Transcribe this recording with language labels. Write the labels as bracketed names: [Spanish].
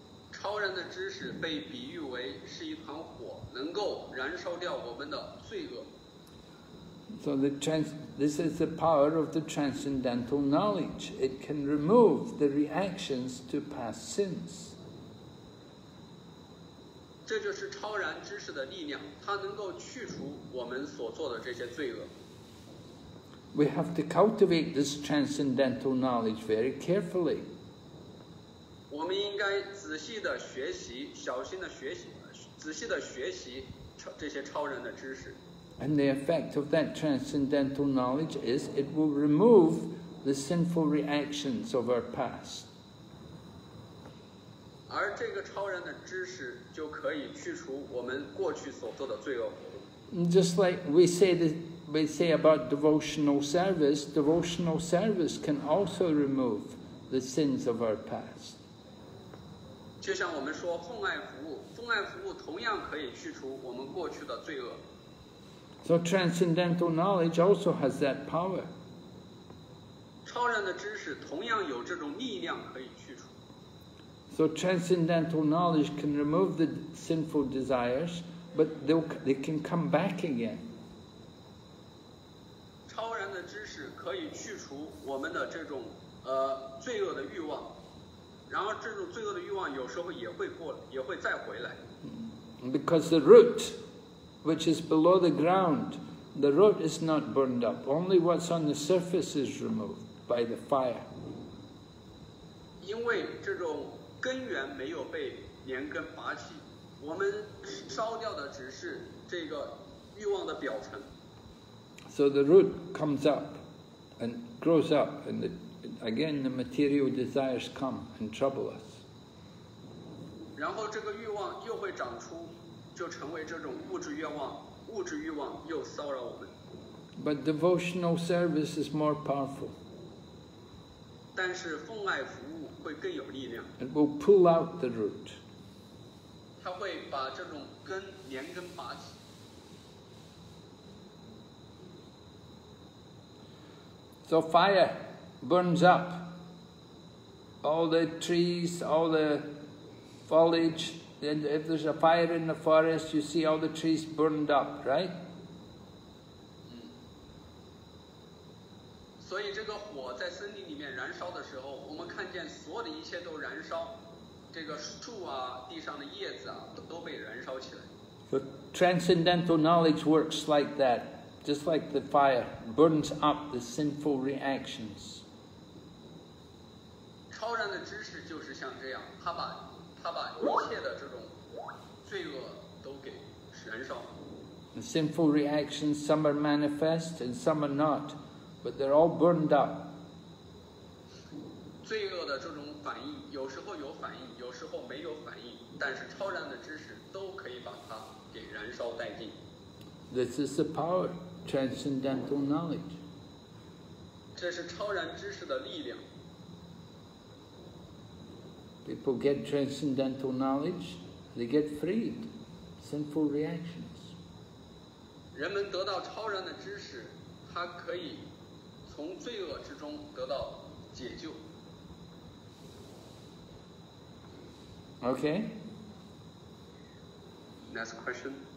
[Chinese] 超然的知识被比喻为是一团火，能够燃烧掉我们的罪恶。 [English] So this is the power of the transcendental knowledge. It can remove the reactions to past sins. [Chinese] 这就是超然知识的力量，它能够去除我们所做的这些罪恶。 [English] We have to cultivate this transcendental knowledge very carefully. [Chinese] 我们应该仔细地学习，小心地学习，仔细地学习这些超然的知识。 [English] And the effect of that transcendental knowledge is it will remove the sinful reactions of our past. [Chinese] 而这个超然的知识就可以去除我们过去所做的罪恶。 [English] Just like we say about devotional service can also remove the sins of our past. [Chinese] 就像我们说奉爱服务，奉爱服务同样可以去除我们过去的罪恶。 [English] So transcendental knowledge also has that power. [Chinese] 超然的知识同样有这种力量可以去除。 [English] So transcendental knowledge can remove the sinful desires, but they can come back again. [Chinese] 超然的知识可以去除我们的这种罪恶的欲望，然后这种罪恶的欲望有时候也会再回来。 [English] Because the root. Which is below the ground, the root is not burned up. Only what's on the surface is removed by the fire. [Chinese] 因为这种根源没有被连根拔起，我们烧掉的只是这个欲望的表层。 [English] So the root comes up and grows up, and again the material desires come and trouble us. [Chinese] 然后这个欲望又会长出。就成为这种物质愿望，物质欲望又骚扰我们。 [English] But devotional service is more powerful. [Chinese] 但是奉爱服务会更有力量。 [English] It will pull out the root. [Chinese] 它会把这种根连根拔起。 [English] So fire burns up all the trees, all the foliage. Then if there's a fire in the forest, you see all the trees burned up, right? [Chinese] 所以这个火在森林里面燃烧的时候，我们看见所有的一切都燃烧，这个树啊，地上的叶子啊，都被燃烧起来。 [English] So transcendental knowledge works like that, just like the fire burns up the sinful reactions. [Chinese] 超然的知识就是像这样，他把一切的这种罪恶都给燃烧。 [English] The sinful reactions, some are manifest and some are not, but they're all burned up. [Chinese] 罪恶的这种反应，有时候有反应，有时候没有反应，但是超然的知识都可以把它给燃烧殆尽。 [English] This is the power, transcendental knowledge. [Chinese] 这是超然知识的力量。 [English] People get transcendental knowledge, they get freed, sinful reactions. [Chinese] 人们得到超然的知识，他可以从罪恶之中得到解救。 [English] Okay. Next question.